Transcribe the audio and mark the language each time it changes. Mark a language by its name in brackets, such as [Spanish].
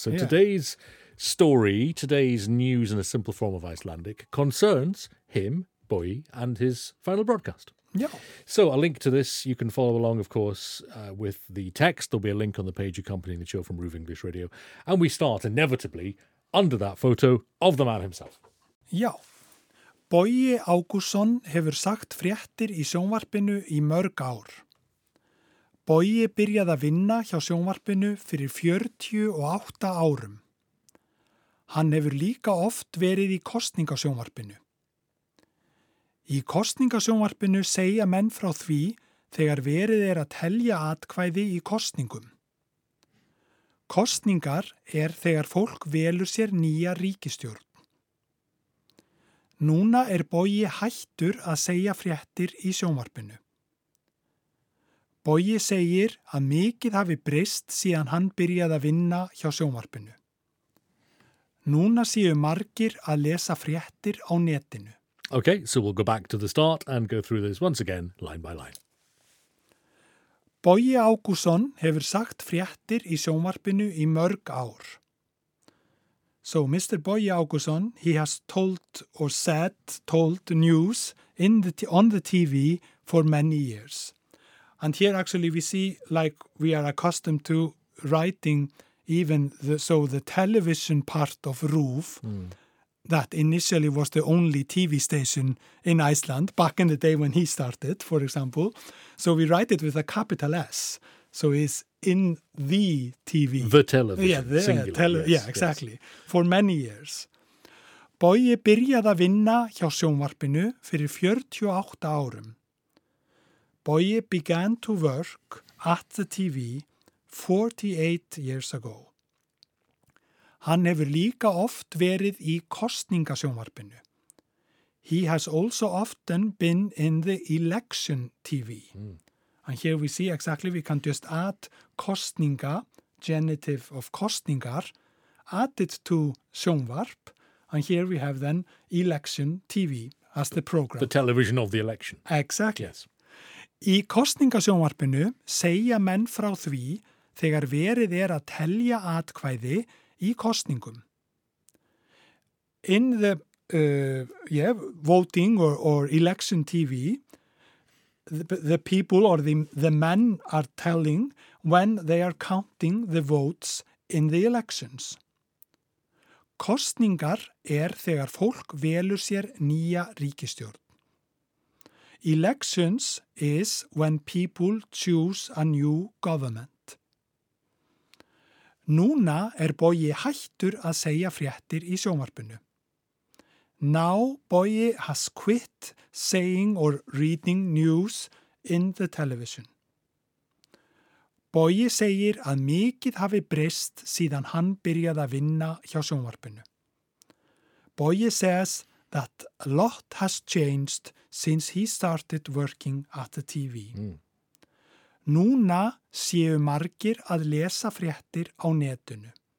[English] So yeah. Today's story, today's news in a simple form of Icelandic, concerns him, Bogi, and his final broadcast. Yeah. So a link to this, you can follow along, of course, with the text. There'll be a link on the page accompanying the show from RÚV English Radio. And we start, inevitably, under that photo of the man himself. Yeah. [Icelandic] Bogi Ágústsson hefur sagt fréttir í sjónvarpinu í mörg ár. Bogi byrjaði að vinna hjá sjónvarpinu fyrir 48 árum. Hann hefur líka oft verið í kosningasjónvarpinu. Í kosningasjónvarpinu segja menn frá því þegar verið að telja atkvæði í kosningum. Kosningar þegar fólk velur sér nýja ríkisstjórn. Núna Bogi hættur að segja fréttir í sjónvarpinu. Bogi segir að mikið hafi breyst síðan hann byrjaði að vinna hjá sjónvarpinu. Núna séu margir að lesa fréttir á netinu. [English] Okay, so we'll go back to the start and go through this once again, line by line. [Icelandic] Bogi Ágústsson hefur sagt fréttir í sjónvarpinu í mörg ár. [English] So Mr. Bogi Ágústsson, he has told news on the TV for many years. And here actually we see, like, we are accustomed to writing even the television part of RÚV, that initially was the only TV station in Iceland back in the day when he started, for example. So we write it with a capital S. So it's in the TV. The television, yeah, the singular. Yes, exactly. For many years. [Icelandic] Bogi byrjaði að vinna hjá sjónvarpinu fyrir 48 árum. [English] Bogi began to work at the TV 48 years ago. [Icelandic] Hann hefur líka oft verið í kosningasjónvarpinu. [English] He has also often been in the election TV. And here we see exactly, we can just add kosninga, genitive of kosningar, add it to sjónvarp, and here we have then election TV as the program. The television of the election. Exactly. Yes. [Icelandic] Í kosningasjónvarpinu segja menn frá því þegar verið að telja atkvæði í kosningum. [English] In the voting or election TV, the people or the men are telling when they are counting the votes in the elections. [Icelandic] Kosningar þegar fólk velur sér nýja ríkisstjórn. [English] Elections is when people choose a new government. [Icelandic] Núna Bogi hættur að segja fréttir í sjónvarpinu. [English] Now Bogi has quit saying or reading news in the television. [Icelandic] Bogi segir að mikið hafi breyst síðan hann byrjaði að vinna hjá sjónvarpinu. [English] Bogi says that a lot has changed since he started working at the TV. [Icelandic] Núna séu margir að lesa fréttir á netinu.